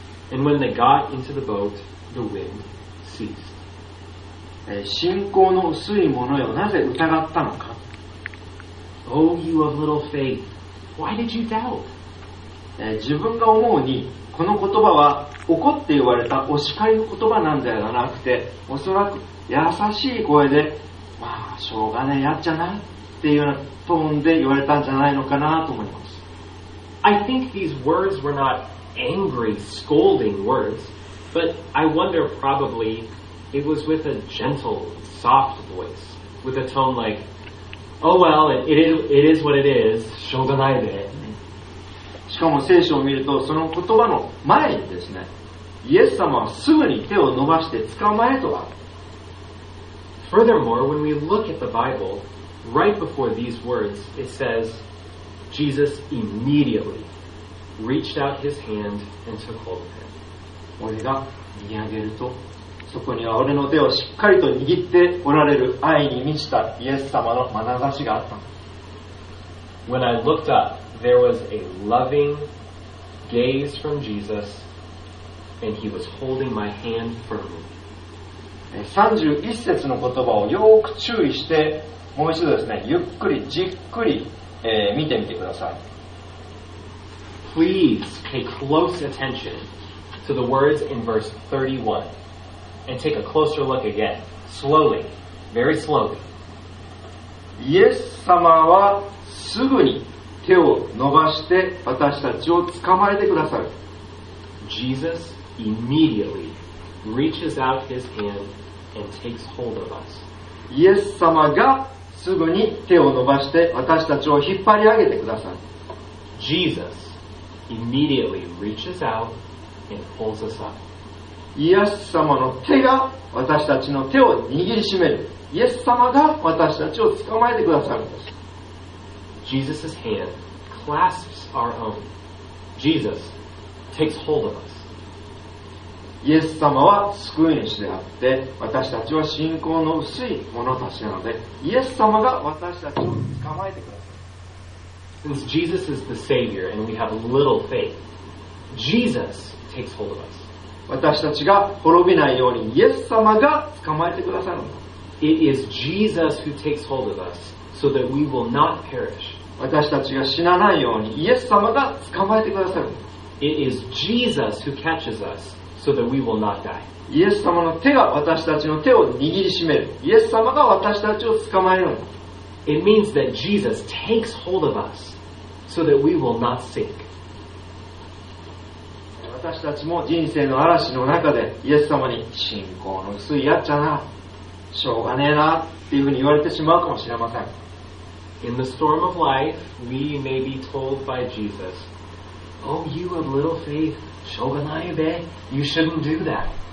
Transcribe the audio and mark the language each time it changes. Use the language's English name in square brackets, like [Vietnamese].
[English] And when they got into the boat, the wind ceased. [Japanese] 信仰の薄い者よ、なぜ疑ったのか? [English] O you of little faith, why did you doubt? [Japanese] 自分が思うに、この言葉は怒って言われたお叱り言葉なんではなくて、おそらく優しい声で、まあ、しょうがねえやっちゃない。っていうようなトーンで言われたんじゃないのかなと思います。 [English] I think these words were not angry, scolding words, but I wonder probably it was with a gentle, soft voice, with a tone like, oh well, it is what it is, [Japanese] しょうがないで。しかも聖書を見ると、その言葉の前にですね、イエス様はすぐに手を伸ばして捕まえとは。 [English] Furthermore, when we look at the Bible,Right before these words, it says, Jesus immediately reached out his hand and took hold of him. [Japanese] 俺が見上げると、そこには俺の手をしっかりと握っておられる愛に満ちたイエス様の眼差しがあった。 [English] When I looked up, there was a loving gaze from Jesus, and he was holding my hand firmly. [Japanese] 31節の言葉をよく注意して、もう一度ですね、ゆっくりじっくり、見てみてください。 [English] Please pay close attention to the words in verse 31 and take a closer look again, slowly, very slowly. [Japanese] イエス様はすぐに手を伸ばして私たちを捕まえてくださる。 [English] Jesus immediately reaches out his hand and takes hold of us. [Japanese] イエス様がすぐに手を伸ばして私たちを引っ張り上げてください。 [English] Jesus immediately reaches out and pulls us up. [Japanese] イエス様の手が私たちの手を握りしめる。イエス様が私たちを捕まえてくださるんです。 [English] Jesus' hand clasps our own. Jesus takes hold of us. [Japanese] イエス様は救い主であって、私たちは信仰の薄い者たちなので、イエス様が私たちを捕まえてくださる。 [English] Since Jesus is the Savior and we have little faith, Jesus takes hold of us. [Japanese] 私たちが滅びないようにイエス様が捕まえてくださるの。 [English] It is Jesus who takes hold of us so that we will not perish. [Japanese] 私たちが死なないようにイエス様が捕まえてくださるの。 [English] It is Jesus who catches us so that we will not die. [Japanese] イエス様の手が私たちの手を握りしめる。イエス様が私たちを捕まえるの。 [English] It means that Jesus takes hold of us so that we will not sink. [Japanese] 私たちも人生の嵐の中でイエス様に信仰の薄いやっちゃな、しょうがねえなっていうふうに言われてしまうかもしれません。 [English] In the storm of life, we may be told by Jesus, Oh, you of little faith, [Japanese] しょうがないべ、 [English] you shouldn't do that.